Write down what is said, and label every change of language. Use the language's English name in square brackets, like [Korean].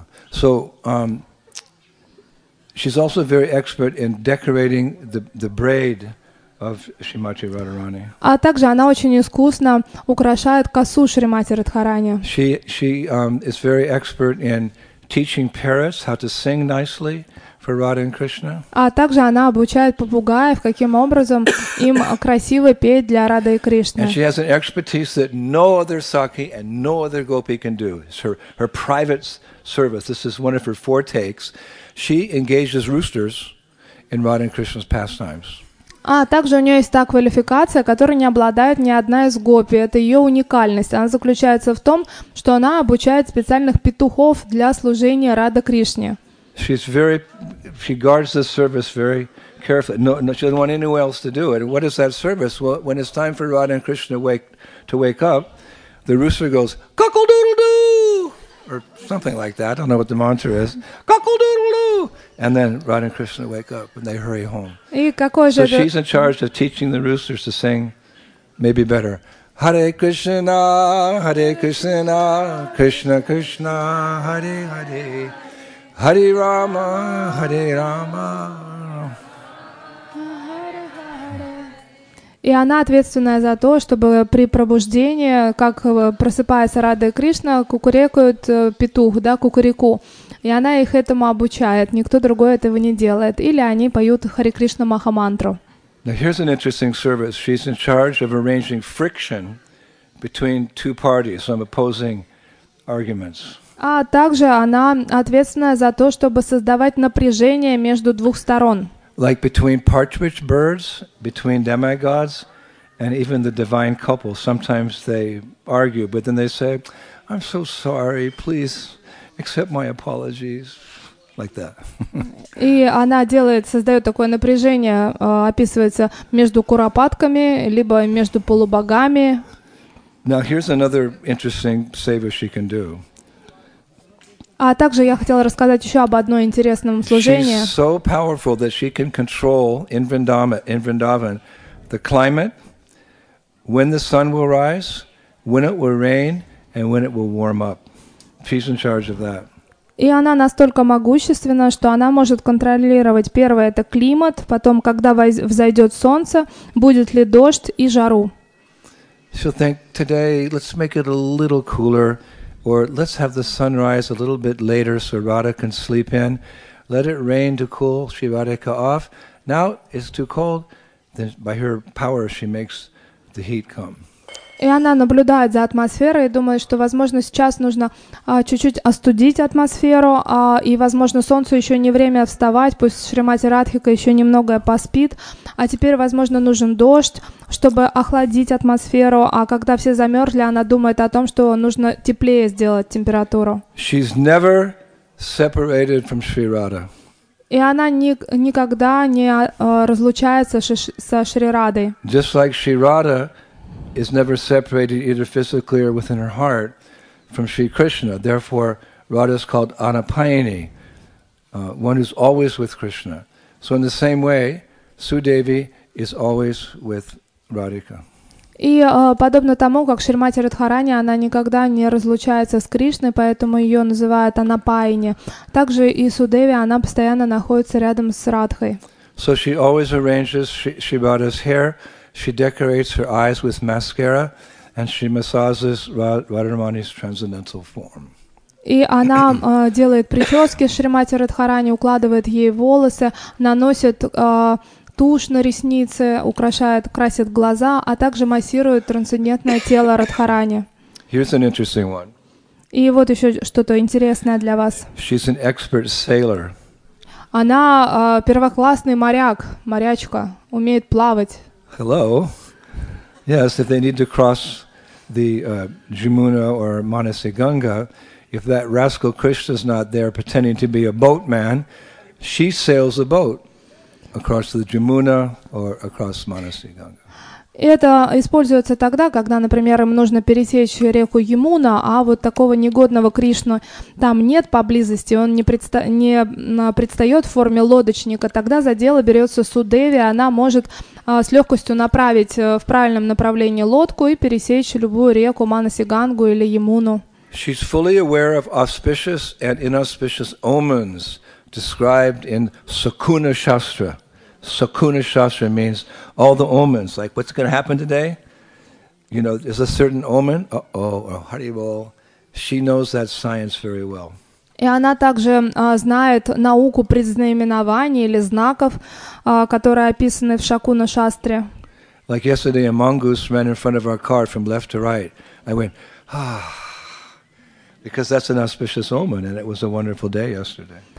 [English] So, she's also very expert in decorating the braid of Shrimati Radharani. [Russian] А также она очень искусно украшает косу Шримати Радхарани. [English] She is very expert in teaching parrots how to sing nicely for Radha and Krishna. [Russian] А также она обучает попугаев, каким образом им красиво петь для Рады и Кришны. [English] And she has an expertise that no other sakhi and no other gopi can do. It's her private service. This is one of her four takes. She engages roosters in Radha and Krishna's pastimes. [Russian] А также у нее есть та квалификация, которой не обладает ни одна из гопи. Это ее уникальность. Она заключается в том, что она обучает специальных петухов для служения Радха Кришне. [English] She guards this service very carefully. No, she doesn't want anyone else to do it. What is that service? Well, when it's time for Radha and Krishna to wake up, the rooster goes cuckoo doodle doo or something like that. I don't know what the mantra is. Cuckoo doodle. And then Radha and Krishna wake up and they hurry home. So she's in charge of teaching the roosters to sing maybe better. Hare Krishna, Hare Krishna, Krishna Krishna, Hare Hare, Hare Rama, Hare Rama. [Russian] И она ответственная за то, чтобы при пробуждении, как просыпается Радха и Кришна, кукурекают петух, да, кукуреку. И она их этому обучает. Никто другой этого не делает. Или они поют Хари Кришна Махамантру. [English] Now here's an interesting service. She's in charge of arranging friction between two parties, some opposing arguments. [Russian] А также она ответственная за то, чтобы создавать напряжение между двух сторон. [English] Like between partridge birds, between demigods, and even the divine couple. Sometimes they argue, but then they say, I'm so sorry, please accept my apologies, like that. [Russian] И она создает такое напряжение, описывается между куропатками, либо между полубогами. [English] Now here's another interesting seva she can do. [Russian] А также я хотела рассказать еще об одном интересном служении. [English] She's so powerful that she can control in Vrindavan the climate, when the sun will rise, when it will rain, and when it will warm up. She's in charge of that. [Russian] И она настолько могущественна, что она может контролировать первое — это климат, потом, когда взойдет солнце, будет ли дождь и жару. [English] She'll think, today let's make it a little cooler. Or let's have the sun rise a little bit later so Radha can sleep in. Let it rain to cool Sri Radhika off. Now it's too cold. Then by her power she makes the heat come. [Russian] И она наблюдает за атмосферой и думает, что, возможно, сейчас нужно чуть-чуть остудить атмосферу, и, возможно, солнцу еще не время вставать, пусть Шримати Радхика еще немного поспит. А теперь, возможно, нужен дождь, чтобы охладить атмосферу. А когда все замерзли, она думает о том, что нужно теплее сделать температуру. [English] She's never separated from Sri Radha. [Russian] И она никогда не разлучается со Шри Радой. [English] Just like Sri Radha is never separated either physically or within her heart from Sri Krishna. Therefore, Radha is called Anapayini, one who's always with Krishna. So in the same way, Sudevi is always with Radhika. [Russian] И подобно тому, как Шримати Радхарани, она никогда не разлучается с Кришной, поэтому ее называют Анапайни. Также и Судеви, она постоянно находится рядом с Радхой. [English] So she always arranges Sri Radha's hair. She decorates her eyes with mascara, and she massages Radharani's transcendental form. [Russian] И она делает прически Шримати Радхарани, укладывает ей волосы, наносит тушь на ресницы, украшает, красит глаза, а также массирует трансцендентное тело Радхарани. [English] Here's an interesting one. [Russian] И вот еще что-то интересное для вас. [English] She's an expert sailor. [Russian] Она первоклассный моряк, морячка, умеет плавать. [English] Hello. Yes, if they need to cross the Jamuna or Manasi Ganga, if that rascal Krishna's not there pretending to be a boatman, she sails the boat across the Jamuna or across Manasi Ganga. [Russian] Это используется тогда, когда, например, им нужно пересечь реку Ямуна, а вот такого негодного Кришну там нет поблизости, он не предстает в форме лодочника, тогда за дело берется Судеви, она может с легкостью направить в правильном направлении лодку и пересечь любую реку Манаси-Гангу или Ямуну. [English] She's fully aware of auspicious and inauspicious omens described in Sakuna Shastra. Sakuna Shastra means all the omens, like what's going to happen today? You know, there's a certain omen, Haribol. She knows that science very well. [Russian] И она также знает науку предзнаменований или знаков, которые описаны в Шакуна Шастре. [English] Like yesterday, a mongoose ran in front of our car from left to right. I went, ah, because that's an auspicious omen, and it was a wonderful day yesterday.